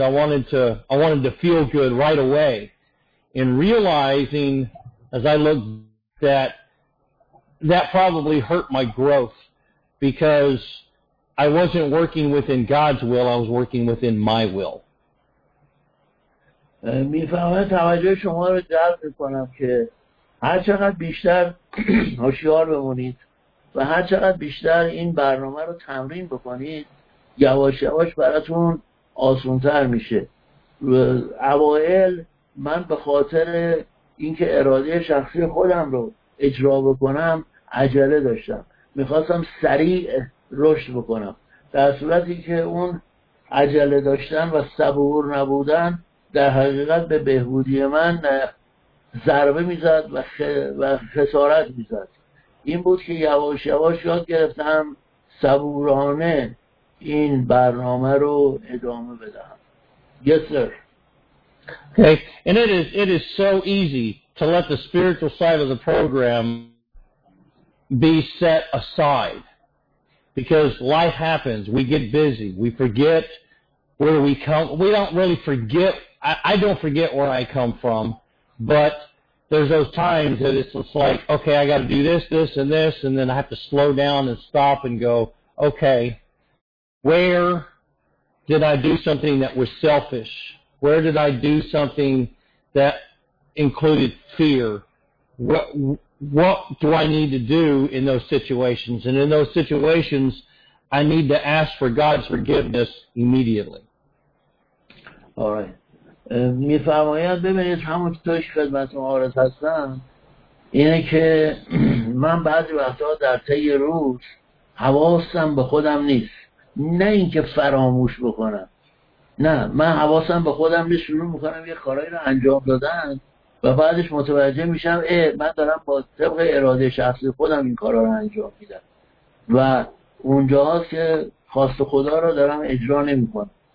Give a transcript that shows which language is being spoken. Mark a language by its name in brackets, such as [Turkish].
[English] I wanted to feel good right away. And realizing as I looked that probably hurt my growth, because I wasn't working within God's will, I was working within my will. [Persian] میفهمم توجه شما رو جلب میکنم که هر چقدر بیشتر هوشیار بمونید و هر چقدر بیشتر این برنامه رو تمرین بکنید، یواش یواش براتون آسان‌تر میشه. اوائل من به خاطر اینکه اراده شخصی خودم رو اجرا بکنم عجله داشتم، میخواستم سریع رشد بکنم، در صورتی که اون عجله داشتن و صبور نبودن در حقیقت به بهبودی من ضربه میزد و خسارت میزد. این بود که یواش یواش یاد گرفتم صبورانه این برنامه رو ادامه بدم. [English] Yes sir. Okay. And it is so easy to let the spiritual side of the program be set aside, because life happens. We get busy. We forget where we come. We don't really forget. I don't forget where I come from, but there's those times that it's just like, okay, I got to do this, this, and this, and then I have to slow down and stop and go, okay, where did I do something that was selfish? Where did I do something that included fear? What do I need to do in those situations? And in those situations, I need to ask for God's forgiveness immediately. All right. [Persian] می فرماید ببینید همون که توش خدمتون آرز هستم، اینه که من بعضی وقتها در طی روز حواسم به خودم نیست، نه اینکه فراموش بکنم، نه، من حواسم به خودم نیست، شروع میکنم یه کارایی رو انجام دادن و بعدش متوجه میشم اه من دارم با طبق اراده شخصی خودم این کارا رو انجام میدم و اونجاست که خواست خدا رو دارم اجرا نمیکنم